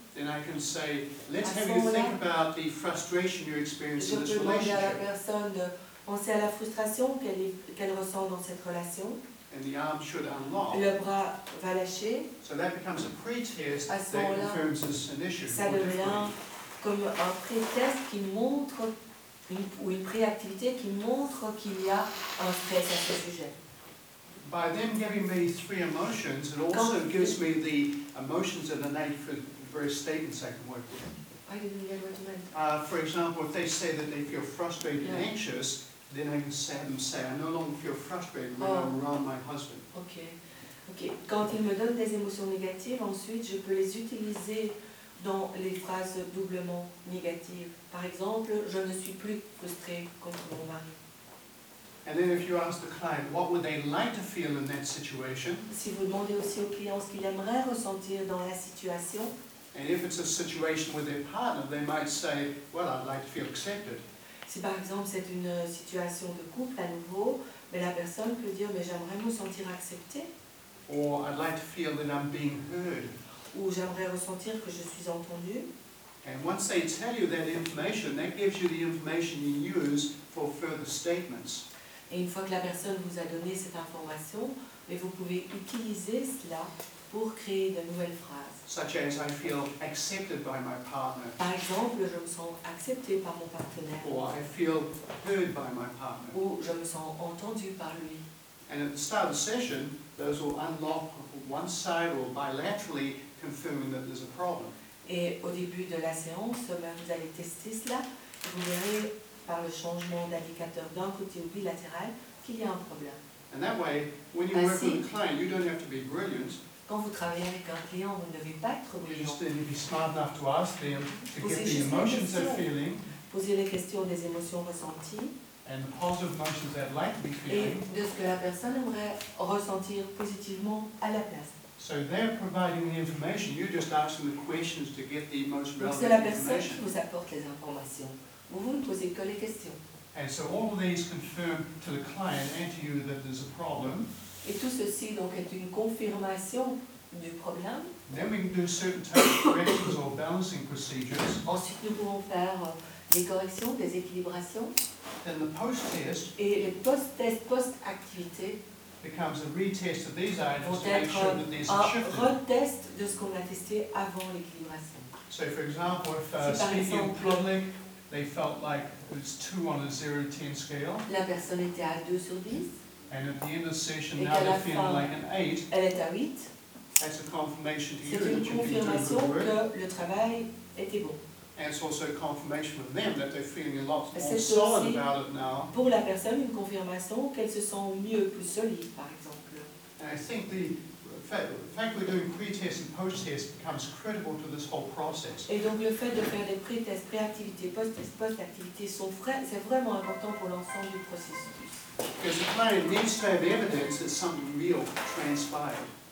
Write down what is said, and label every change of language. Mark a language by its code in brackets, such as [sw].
[en] Then I can say, let's have you think about the frustration you're experiencing in this relationship. [fr] Je peux demander à la personne de penser à la frustration qu'elle ressent dans cette relation. [en] And the arm should unlock. [fr] Le bras va lâcher. [en] So that becomes a pretest [fr] à [en] that confirms this initiative. [fr] Ça devient comme un pretest qui montre. Ou une préactivité qui montre qu'il y a un stress à ce sujet. [en] By them giving me 3 emotions, it also [fr] quand [en] gives me the emotions that are needed for various statements I can work with. I didn't get what you meant. For example, if they say that they feel frustrated and anxious, then I can have them say, I no longer feel frustrated when I'm around my husband. Okay. [fr] Quand ils me donnent des émotions négatives, ensuite je peux les utiliser dans les phrases doublement négatives. Par exemple, je ne suis plus frustrée contre mon mari. [en] And then if you ask the client, what would they like to feel in that situation? [fr] Si vous demandez aussi au client ce qu'il aimerait ressentir dans la situation. [en] And if it's a situation with their partner, they might say, well, I'd like to feel accepted. [fr] Si par exemple c'est une situation de couple à nouveau, mais la personne peut dire, mais j'aimerais me sentir acceptée. [en] Or I'd like to feel that I'm being heard. [fr] Ou j'aimerais ressentir que je suis entendu. [en] And once they tell you that information, that gives you the information you use for further statements. [fr] Et une fois que la personne vous a donné cette information, vous pouvez utiliser cela pour créer de nouvelles phrases. [en] Such as, I feel accepted by my partner. [fr] Par exemple, je me sens accepté par mon partenaire. [en] Or, I feel heard by my partner. [fr] Ou je me sens entendu par lui. [en] And at the start of the session, those will unlock one side or bilaterally, confirming that there's a problem. [fr] Et au début de la séance, vous allez tester cela, vous verrez par le changement d'indicateur d'un côté ou bilatéral qu'il y a un problème. [en] And that way, when you work with a client, you don't have to be brilliant. [fr] Quand vous travaillez avec un client, vous ne devez pas être brillant. [en] You just need to be smart enough to ask them to get the emotions they're feeling. [fr] Posez les questions des émotions ressenties. [en] And the positive emotions they'd like to be feeling. [fr] Et de ce que la personne aimerait ressentir positivement à la place. [en] So they're providing the information. You just ask them the questions to get the emotional information. [fr] Donc c'est la personne qui vous apporte les informations. Vous ne posez que les questions. [en] And so all of these confirm to the client and to you that there's a problem. [fr] Et tout ceci donc est une confirmation du problème. [en] Then we can do certain types of corrections or balancing procedures. [fr] Ensuite nous pouvons faire des corrections, des équilibrations. [en] Then the post-test. [fr] Et les post-tests, post-activité. [en] Becomes a retest of these items to make sure that these are shifted. [fr] Un retest de ce qu'on a testé avant l'équilibration. [en] So for example, if speaking in public, they felt like it was 2 on a 0 to 10 scale. [fr] La personne était à 2 sur 10. [en] And at the end of the session, [fr] et [en] now they're feeling like an 8. [fr] Elle est à 8. [en] That's a confirmation to [fr] c'est [en] you that you've been doing good work. [fr] Que le travail était bon. [en] And it's also a confirmation with them that they're feeling a lot more solid about it now. [fr] Pour la personne, une confirmation qu'elle se sent mieux, plus solide, par exemple. [en] And I think the fact we're doing pre-tests and post-tests becomes critical to this whole process. [fr] Et donc le fait de faire des pré-tests, pré-activités, post-tests, post-activités sont c'est vraiment important pour l'ensemble du processus. [en] Because the client needs to have evidence that something real transpired.